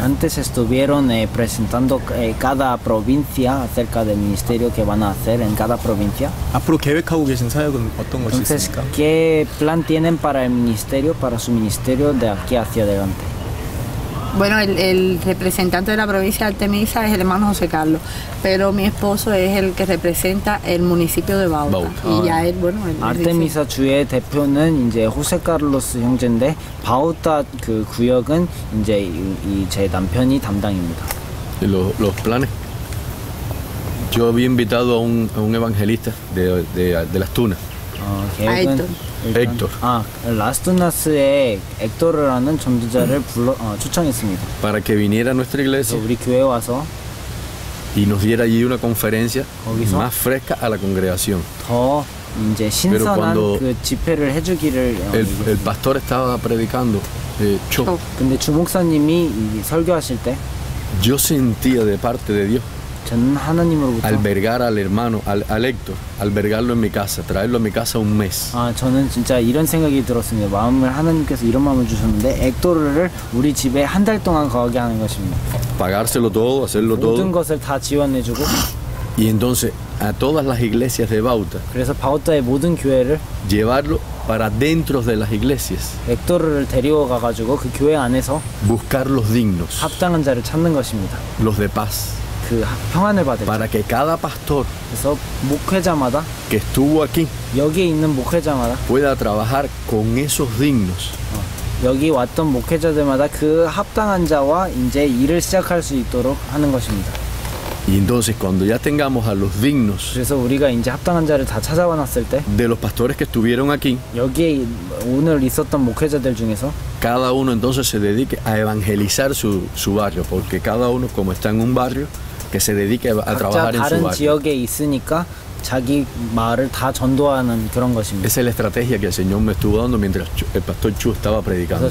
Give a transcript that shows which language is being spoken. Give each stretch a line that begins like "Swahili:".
Spanish: antes estuvieron presentando cada provincia acerca del ministerio que van a hacer en cada provincia.
Korean: 앞으로 계획하고 계신 사역은 어떤 것이 있습니까?
Spanish: ¿Qué plan tienen para el ministerio para su ministerio de aquí hacia adelante? Bueno, el representante de la provincia de Artemisa es el hermano José Carlos, pero mi esposo es el que representa el municipio de Bauta. Y ya él, bueno, él
Korean: Artemisa 주의 대표는 이제 José Carlos 형제인데 Bauta 그 구역은 이제 이 제 남편이 담당입니다.
Spanish: Los planes. Yo había invitado a un evangelista de las Tunas. Héctor.
Korean: Las Tunas의 Héctor라는 전도자를 불러 초청했습니다.
Spanish: Para que viniera a nuestra iglesia.
Korean: 우리 교회에 와서.
Spanish: Y nos diera allí una conferencia más fresca a la congregación.
Korean: 더 이제 신선한 그 집회를 해주기를.
Spanish: El pastor estaba predicando.
Korean: 근데 주목사님이 설교하실 때.
Spanish: Yo sentía de parte de Dios.
Korean: 저는 하나님으로부터
Spanish: albergar al hermano, al Héctor, albergarlo en mi casa, traerlo a mi casa un mes.
Korean: 아, 저는 진짜 이런 생각이 들었습니다. 마음을 하나님께서 이런 마음을 주셨는데 Héctor를 우리 집에 한 달 동안 거하게 하는 것입니다.
Spanish: Pagárselo todo, hacerlo todo.
Korean: 모든 것을 다 지원해 주고
Spanish: y entonces a todas las iglesias de Bauta.
Korean: 그래서 바우타의 모든 교회를
Spanish: llevarlo para dentro de las iglesias.
Korean: 헥토르를 데리고 가 가지고 그 교회 안에서
Spanish: buscar los dignos.
Korean: 합당한 자를 찾는 것입니다.
Spanish: Los de paz.
Korean: 그 평안을 받을
Spanish: para que cada pastor
Korean: 그래서 목회자마다
Spanish: que estuvo aquí
Korean: 여기에 있는 목회자마다
Spanish: pueda trabajar con esos dignos
Korean: 여기 왔던 목회자들마다 그 합당한 자와 이제 일을 시작할 수 있도록 하는 것입니다.
Spanish: Y entonces cuando ya tengamos a los dignos.
Korean: 그래서 우리가 이제 합당한 자를 다 찾아왔을 때.
Spanish: De los pastores que estuvieron aquí.
Korean: 여기에 오늘 있었던 목회자들 중에서.
Spanish: Cada uno entonces se dedique a evangelizar su barrio, porque cada uno como está en un barrio, que se dedique a trabajar en su barrio.
Korean: 각자 다른 지역에 있으니까 자기 마을을 다 전도하는 그런 것입니다.
Spanish: Esa es la estrategia que el Señor me estuvo dando mientras el pastor Chu estaba predicando.